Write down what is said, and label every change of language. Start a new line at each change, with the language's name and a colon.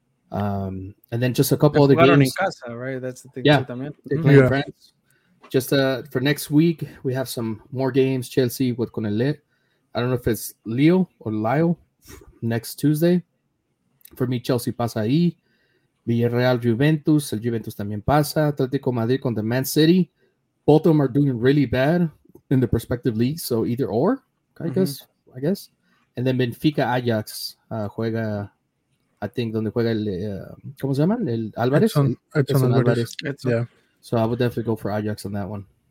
English: And then just a couple other games.
Spanish: En casa,
English: right? That's the thing. Yeah, they play in France. Just for next week, we have some more games. Chelsea with Conelé. I don't know if it's Leo or Lyle next Tuesday. For me, Chelsea
Spanish: pasa ahí. Villarreal Juventus, el Juventus también pasa, Atlético Madrid contra Man City.
English: Both of them are doing really bad in the prospective league, so either or, I guess. And then Benfica Ajax
Spanish: juega,
English: I think,
Spanish: donde juega el, ¿cómo se llama? El Álvarez.
English: Edson Álvarez. So I would definitely go for Ajax on that one.